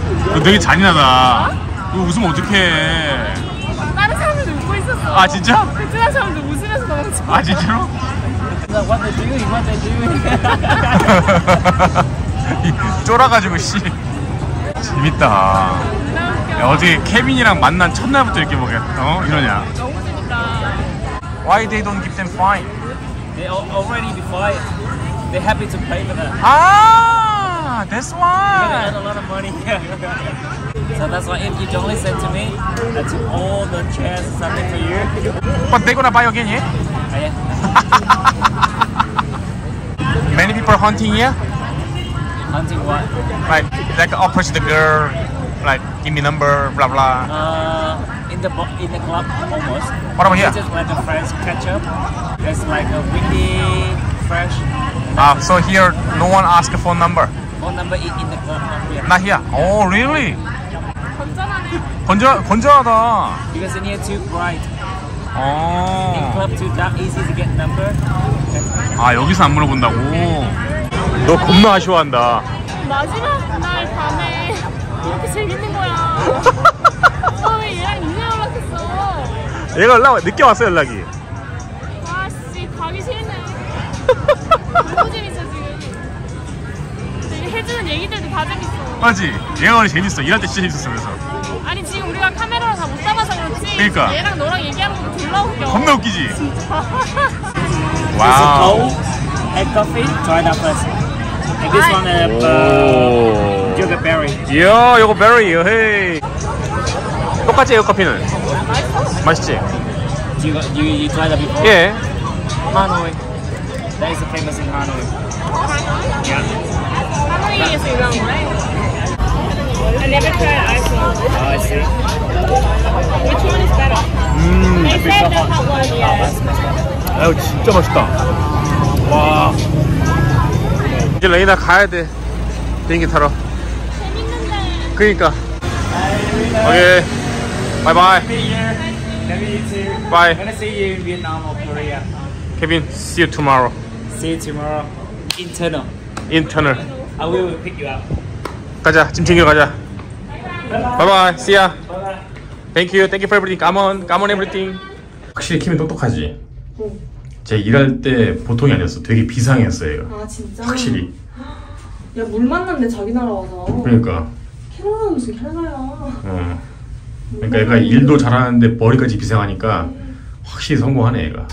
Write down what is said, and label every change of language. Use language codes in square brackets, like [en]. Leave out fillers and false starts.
[ko] 이거 되게 잔인하다. 이거 웃으면 어떡해. 아 진짜? 베트남 사람들 웃으면서 도망쳐. 아 진짜로? [en] What they doing? What they doing? [ko] 쫄아가지고 씨. 재밌다. 야, 어제 케빈이랑 만난 첫날부터 이렇게 뭐 어? 이러냐. [en] Why they don't give them fine? They already be fine. They happy to pay for that. Ah, that's why. You gotta add a lot of money. So that's why if you don't listen to me, that's all the chance something for you. But they gonna buy again, yeah? Yeah. Many people hunting here. Hunting what? Like approach the girl, like give me number, blah blah. In the club almost. What about here? Just where the friends catch up. There's like a windy, fresh. Ah, so here no one ask a phone number. Phone number in the club, not here. Not here. Yeah. Oh, really? [ko] 건전하다. [en] Because in here too bright. Oh. In club too dark, easy to get number. [ko] Okay. 아 여기서 안 물어본다고. 너 겁나 아쉬워한다. 마지막 날 밤에 이렇게 재밌는 거야. 아, 왜 얘랑 이제 연락했어? 얘가 늦게 왔어 연락이. 아씨 가기 싫네. 너무 재밌어 지금. 해주는 얘기들도 다 재밌어. 맞지? 얘가 오늘 재밌어. 일할 때 진짜 재밌었어 그래서. 아니 지금 우리가 카메라를 다 못 잡아서 그렇지. 그러니까. 얘랑 너랑 얘기하는 거 졸라 웃겨. 겁나 웃기지? 진짜. 와우. [en] Egg coffee, try that first. And this one is yogurt berry. Yeah, yogurt berry. Hey. [ko] 똑같지 에어커피는? 맛있어? 맛있지? [en] Do you try that before? Yeah. Hanoi. That is famous in Hanoi. Hanoi? Yeah. Hanoi is a young one, right? I never tried iced one. Oh, I see. Which one is better? I said the hot one, yeah. [ko] 아유, 진짜 맛있다. 와. 이제 레이나 가야 돼. 비행기 타러. 재밌는데. 그니까. 오케이. 바이바이. [en] Happy New Year. Happy New Year. Bye. I'm gonna see you in Vietnam or Korea. Kevin, see you tomorrow. See you tomorrow. Internal. Internal. I will pick you up. [ko] 가자. 짐 챙겨 가자. [en] Bye-bye. Bye-bye. See ya. Bye-bye. Thank you for everything. Come on everything. [ko] 확실히 키미 똑똑하지. 제가 일할 때 보통이 아니었어. 되게 비상했어 얘가. 아 진짜? 확실히. 야 물 만났네 자기 나라 와서. 그러니까. 캐나다는 무슨 캐나다야. 그러니까 얘가 일도 잘하는데 머리까지 비상하니까 확실히 성공하네 얘가.